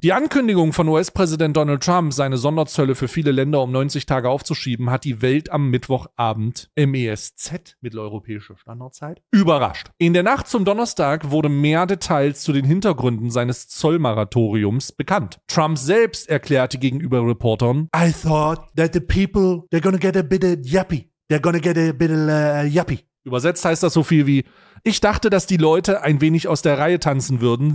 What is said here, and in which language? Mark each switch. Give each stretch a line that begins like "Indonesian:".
German: Die Ankündigung von US-Präsident Donald Trump, seine Sonderzölle für viele Länder um 90 Tage aufzuschieben, hat die Welt am Mittwochabend MESZ, mitteleuropäische Standardzeit, überrascht. In der Nacht zum Donnerstag wurde mehr Details zu den Hintergründen seines Zollmoratoriums bekannt. Trump selbst erklärte gegenüber Reportern:
English: I thought that the people, they're gonna get a bit yappy. They're gonna get a bit yappy.
German: Übersetzt heißt das so viel wie: Ich dachte, dass die Leute ein wenig aus der Reihe tanzen würden.